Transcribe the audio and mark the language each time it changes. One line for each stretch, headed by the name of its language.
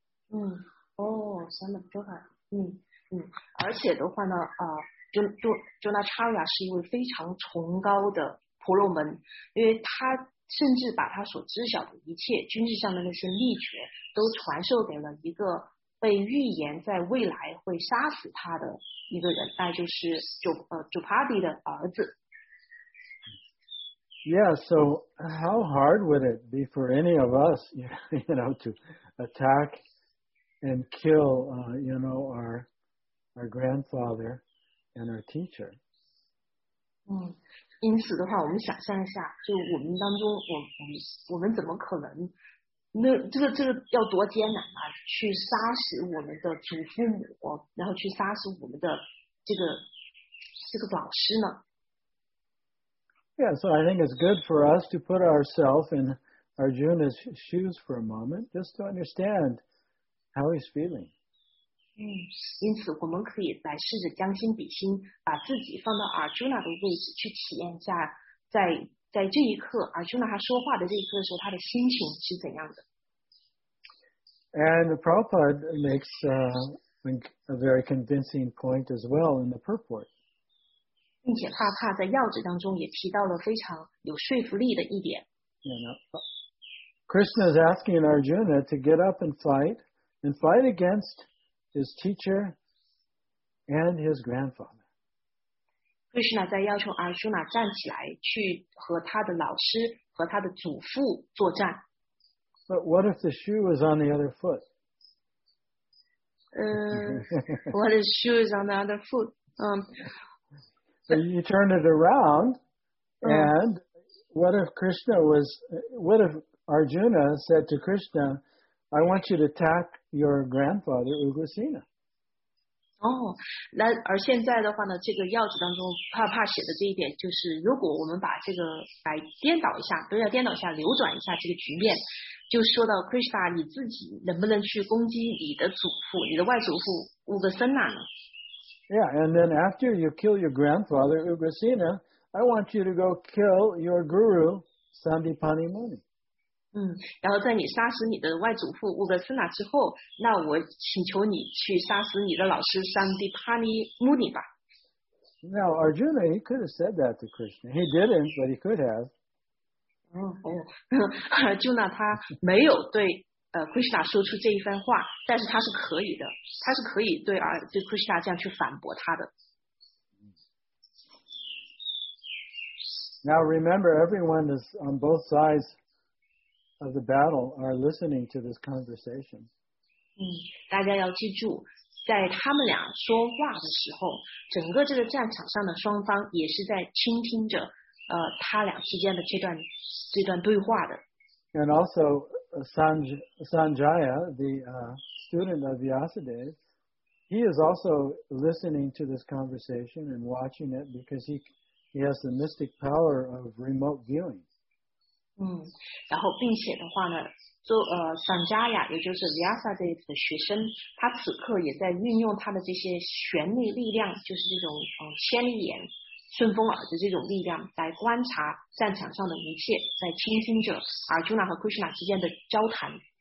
English: Son of Draupadi.
Chinese: 而且的话呢，Dronacharya 是一位非常崇高的婆罗门，因为他甚至把他所知晓的一切军事上的那些秘诀都传授给了一个被预言在未来会杀死他的一个人，那就是Draupadi的儿子。
English: Yeah, so how hard would it be for any of us, you know, to attack and kill, you know, our grandfather and our teacher?
Chinese: 因此的话，我们想象一下，就我们当中，我们怎么可能？那这个要多艰难啊！去杀死我们的祖父母，然后去杀死我们的这个老师呢？
English: Yeah, so I think it's good for us to put ourselves in Arjuna's shoes for a moment, just to understand how he's feeling.
Chinese: 因此我们可以来试着将心比心，把自己放到 Arjuna 的位置，去体验一下在这一刻 Arjuna 他说话的这一刻的时候，他的心情是怎样的。
English: And Prabhupada makes a very convincing point as well in the purport.
Chinese: 并且他在要旨当中也提到了非常有说服力的一点。
English: You know, Krishna is asking Arjuna to get up and fight and fight against his teacher and his grandfather.
Chinese: Krishna 在要求 Arjuna 站起来去和他的老师和他的祖父作战。
English: But what if the shoe was on the other foot? what his shoe is on the other foot. So you turned it around, and what if Krishna was, what if Arjuna said to Krishna, I want you to attack your grandfather, Ugrasena?
Chinese: Oh, 那而现在的话呢，这个药子当中怕怕写的这一点就是，如果我们把这个来颠倒一下，不是要颠倒一下，扭转一下这个局面，就说到 Krishna， 你自己能不能去攻击你的祖父，你的外祖父 Ugrasena 呢？
English: Yeah, and then after you kill your grandfather Ugrasena, I want you to go kill your guru Sandipani Muni.
Chinese: 然后在你杀死你的外祖父 Ugrasena 之后，那我请求你去杀死你的老师 Sandipani Muni 吧。
English: Now Arjuna, he could have said that to Krishna. He didn't, but he could have.
Chinese: Arjuna 他没有对Krishna 说出这一番话，但是他是可以的，他是可以对啊，对 Krishna 这样去反驳他的。
English: Now remember, everyone is on both sides of the battle are listening to this conversation.
Chinese: 大家要记住，在他们俩说话的时候，整个这个战场上的双方也是在倾听着他俩之间的这段对话的。
English: And also. Sanjaya, the student of Vyasadeva, he is also listening to this conversation and watching it because he has the mystic power of remote viewing.
Chinese: 然后并且的话呢，做Sanjaya 也就是 Vyasadeva 的学生，他此刻也在运用他的这些玄秘力量，就是这种千里眼、顺风耳的这种力量来观察战场上的一切，在倾听着 Arjuna 和 Krishna 之间的交谈。